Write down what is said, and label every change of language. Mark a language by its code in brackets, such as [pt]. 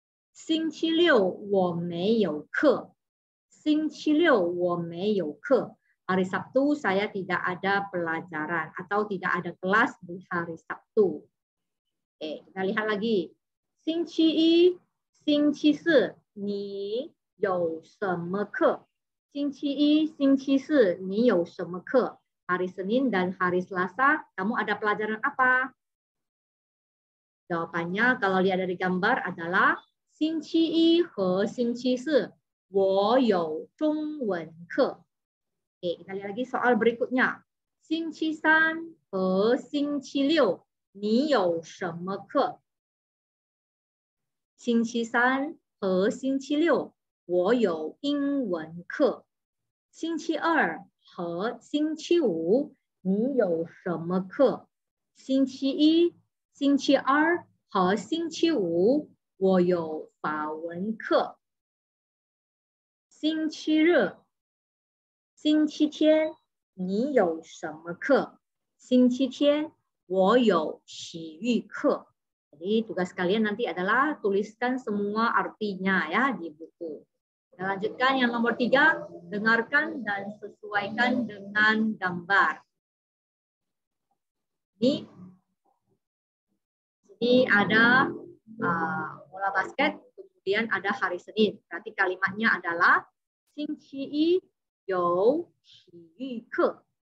[zh] 星期六我没有课.星期六我没有课. [id] Hari Sabtu saya tidak ada pelajaran atau tidak ada kelas di hari Sabtu. Oke, kita lihat lagi. [zh] 星期一, 星期四, 你有什么课？星期一、星期四你有什么课？ [id] Hari Senin dan hari Selasa kamu ada pelajaran apa? Jawabannya kalau lihat dari gambar adalah [zh] 星期一和星期四我有中文课。 [id] Okay, kita lihat lagi soal berikutnya. [zh] 星期三和星期六你有什么课？星期三和星期六我有英文课。星期二和星期五你有什么课？星期一、星期二和星期五我有法文课。星期日、星期天你有什么课？星期天我有体育课。 [id] Jadi tugas kalian nanti adalah tuliskan semua artinya ya di buku. Kita lanjutkan yang nomor tiga, dengarkan dan sesuaikan dengan gambar. Ini ada bola basket, kemudian ada hari Senin. Berarti kalimatnya adalah [zh] 星期一有体育课。